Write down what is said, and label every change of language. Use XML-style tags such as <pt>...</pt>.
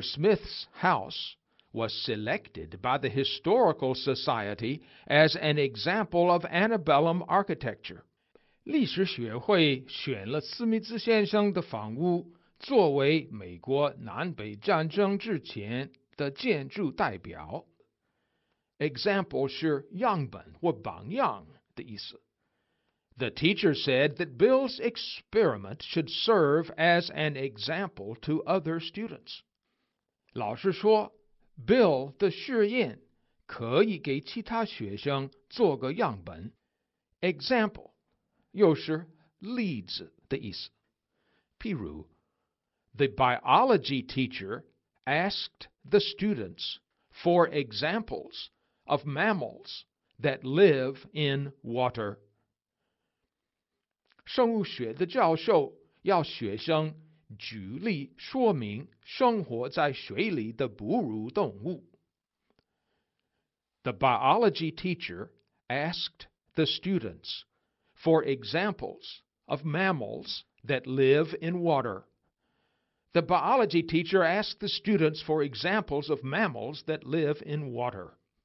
<en>Smith's house was selected by the Historical Society as an example of antebellum architecture.</en> <zh>历史学会选了史密斯先生的房屋作为美国南北战争之前的建筑代表。 example 是样本或榜样的意思。</zh> <en>The teacher said that Bill's experiment should serve as an example to other students.</en> <zh>老师说 ,Bill 的试验可以给其他学生做个样本。 Example 又是例子的意思。譬如</zh> <en>,The biology teacher asked the students for examples of mammals that live in water.</en> <zh>生物学的教授要学生举例说明生活在水里的哺乳动物。</zh> <en>The biology teacher asked the students for examples of mammals that live in water. The biology teacher asked the students for examples of mammals that live in water.</en>